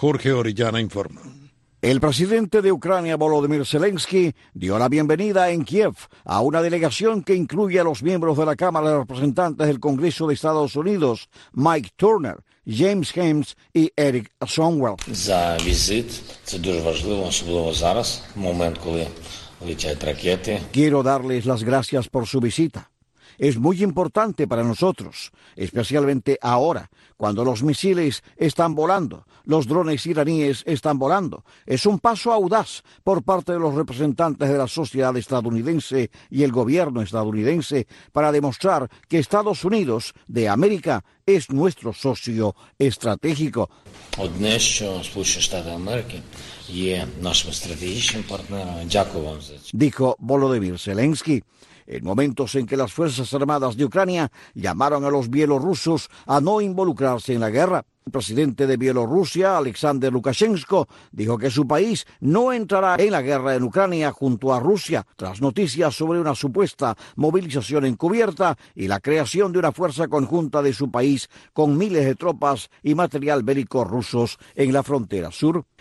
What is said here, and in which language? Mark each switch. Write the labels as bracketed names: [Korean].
[Spanish] Jorge Orellana informa. El presidente de Ucrania, Volodymyr Zelensky, dio la bienvenida en Kiev a una delegación que incluye a los miembros de la Cámara de Representantes del Congreso de Estados Unidos, Mike Turner, James Hames y Eric Sonwell. [Ukrainian] За візит, це дуже важливо, особливо зараз, момент, коли летять ракети. [Spanish] Quiero darles las gracias por su visita. Es muy importante para nosotros, especialmente ahora, cuando los misiles están volando, los drones iraníes están volando. Es un paso audaz por parte de los representantes de la sociedad estadounidense y el gobierno estadounidense para demostrar que Estados Unidos de América es nuestro socio estratégico. [Ukrainian] Одне, що Сполучені Штати Америки є нашим стратегічним партнером. Дякую вам за це. [Spanish] Dijo Volodymyr Zelensky. En momentos en que las Fuerzas Armadas de Ucrania llamaron a los bielorrusos a no involucrarse en la guerra, el presidente de Bielorrusia, Alexander Lukashenko, dijo que su país no entrará en la guerra en Ucrania junto a Rusia, tras noticias sobre una supuesta movilización encubierta y la creación de una fuerza conjunta de su país con miles de tropas y material bélico rusos en la frontera sur.